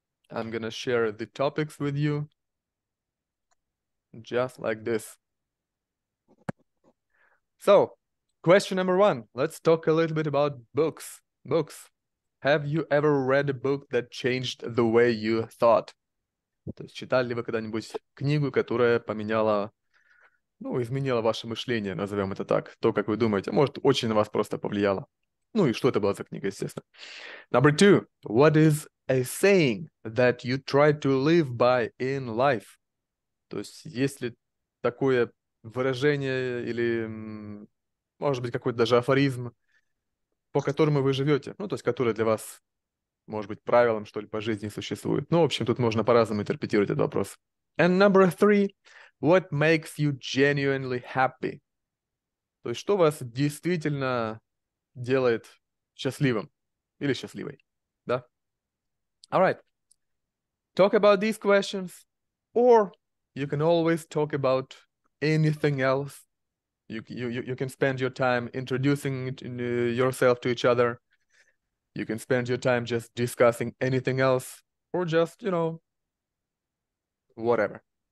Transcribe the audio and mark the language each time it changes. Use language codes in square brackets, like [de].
[en] I'm gonna share the topics with you, just like this. So, question number one, let's talk a little bit about books. Books. Have you ever read a book that changed the way you thought? [ru] То есть, читали ли вы когда-нибудь книгу, которая поменяла... Ну, изменило ваше мышление, назовем это так. То, как вы думаете, может, очень на вас просто повлияло. Ну и что это была за книга, естественно. [en] Number two. What is a saying that you try to live by in life? [ru] То есть, есть ли такое выражение или, может быть, какой-то даже афоризм, по которому вы живете? Ну, то есть, который для вас, может быть, правилом, что ли, по жизни существует. Ну, в общем, тут можно по-разному интерпретировать этот вопрос. [en] And number three. What makes you genuinely happy? [ru] То есть, что вас действительно делает счастливым или счастливой, да? [en] All right. Talk about these questions, or you can always talk about anything else. You can spend your time introducing yourself to each other. You can spend your time just discussing anything else, or just, you know, whatever.